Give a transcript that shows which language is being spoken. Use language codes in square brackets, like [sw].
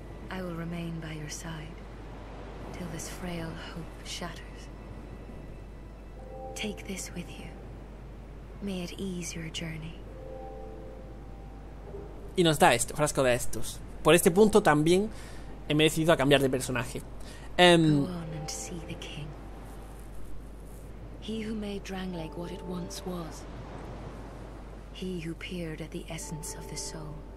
[en] I will remain by your side till this frail hope shatters. Take this with you. May it ease your journey. [es] Y nos da esto, frasco de estos. Por este punto también he decidido a cambiar de personaje. [en] Go on and see the king. He who made Drangleic what it once was. He who peered at the essence of the soul.